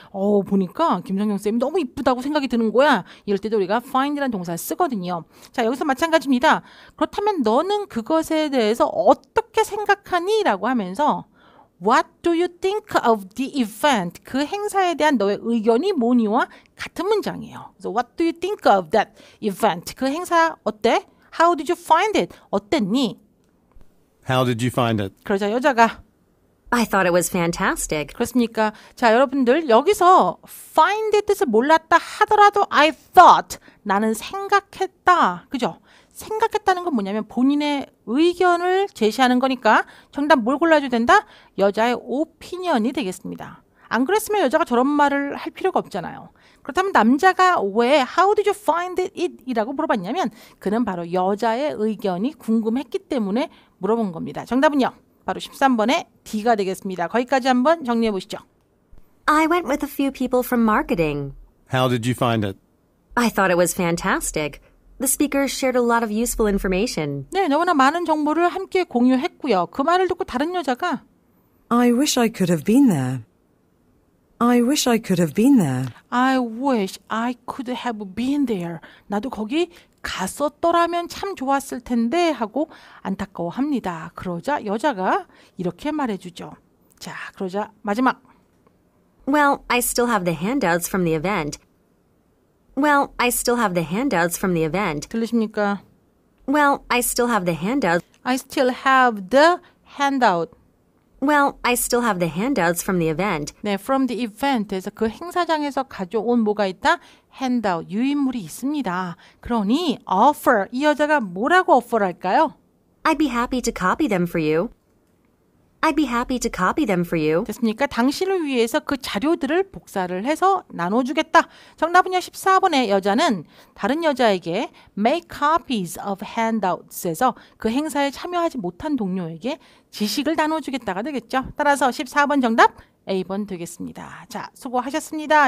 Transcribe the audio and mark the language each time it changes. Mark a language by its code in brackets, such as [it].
[ko] 오, 보니까 김선경 쌤이 너무 이쁘다고 생각이 드는 거야. 이럴 때도 우리가 find라는 동사를 쓰거든요. 자, 여기서 마찬가지입니다. 그렇다면 너는 그것에 대해서 어떻게 생각하니? 라고 하면서 [en] What do you think of the event? [ko] 그 행사에 대한 너의 의견이 뭐니와 같은 문장이에요. [en] So what do you think of that event? [ko] 그 행사 어때? [en] How did you find it? [ko] 어땠니? [en] How did you find it? [ko] 그러자 여자가 [en] I thought it was fantastic. [ko] 그렇습니까? 자, 여러분들 여기서 [en] find it [ko] 뜻을 몰랐다 하더라도 [en] I thought, [ko] 나는 생각했다. 그죠? 생각했다는 건 뭐냐면 본인의 의견을 제시하는 거니까 정답 뭘 골라줘야 된다? 여자의 오피니언이 되겠습니다. 안 그랬으면 여자가 저런 말을 할 필요가 없잖아요. 그렇다면 남자가 왜 [en] How did you find it? [ko] 이라고 물어봤냐면 그는 바로 여자의 의견이 궁금했기 때문에 물어본 겁니다. 정답은요. 바로 13번의 D가 되겠습니다. 거기까지 한번 정리해 보시죠. [en] I went with a few people from marketing. How did you find it? I thought it was fantastic. The speaker shared a lot of useful information. [ko] 네, 너무나 많은 정보를 함께 공유했고요. 그 말을 듣고 다른 여자가 [en] I wish I could have been there. I wish I could have been there. I wish I could have been there. [ko] 나도 거기 갔었더라면 참 좋았을 텐데 하고 안타까워합니다. 그러자 여자가 이렇게 말해주죠. 자, 그러자 마지막 [en] Well, I still have the handouts from the event. Well, I still have the handouts from the event. [ko] 들리십니까? [en] Well, I still have the handouts. I still have the handout. Well, I still have the handouts from the event. [ko] 네, [en] from the event [ko] 에서 그 행사장에서 가져온 뭐가 있다? Handout, 유인물이 있습니다. 그러니 offer, 이 여자가 뭐라고 offer 할까요? [en] I'd be happy to copy them for you. I'd be happy to copy them for you. [ko] 됐습니까? 당신을 위해서 그 자료들을 복사를 해서 나눠주겠다. 정답은요. 14번의 여자는 다른 여자에게 [en] make copies of handouts [ko] 에서 그 행사에 참여하지 못한 동료에게 지식을 나눠주겠다가 되겠죠. 따라서 14번 정답 A번 되겠습니다. 자, 수고하셨습니다.